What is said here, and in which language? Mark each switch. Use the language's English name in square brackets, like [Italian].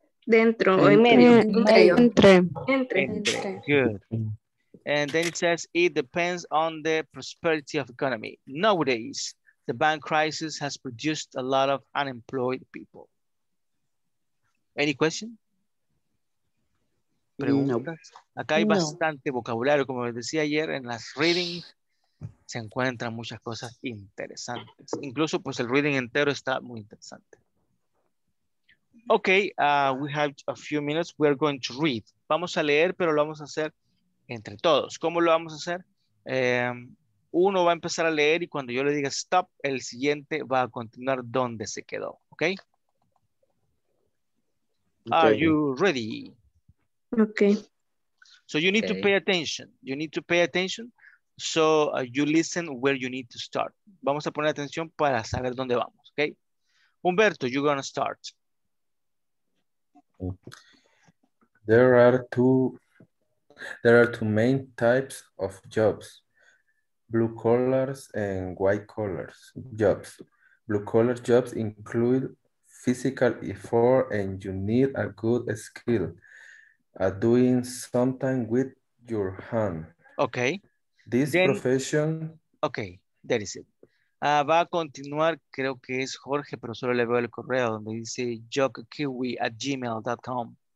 [Spanish] Entre. [English] Good. And then it says it depends on the prosperity of economy. Nowadays, the bank crisis has produced a lot of unemployed people. Any question? No. [Spanish] Acá hay bastante vocabulario, como les decía ayer, en las readings se encuentran muchas cosas interesantes. Incluso, pues, el reading entero está muy interesante. [English] Okay, we have a few minutes. We are going to read. [Spanish] Vamos a leer, pero lo vamos a hacer entre todos. ¿Cómo lo vamos a hacer? Uno va a empezar a leer y cuando yo le diga stop, el siguiente va a continuar donde se quedó. [English] Okay? Okay. Are you ready? Okay. So you need to pay attention. You need to pay attention. So you listen where you need to start. [Spanish] Vamos a poner atención para saber dónde vamos. [English] Okay? Humberto, you're going to start. There are two main types of jobs, blue collars and white collars jobs. Blue collar jobs include physical effort and you need a good skill at doing something with your hand. Okay. That is it. [Spanish] Va a continuar, creo que es Jorge, pero solo le veo el correo donde dice jokkiwi@gmail.com.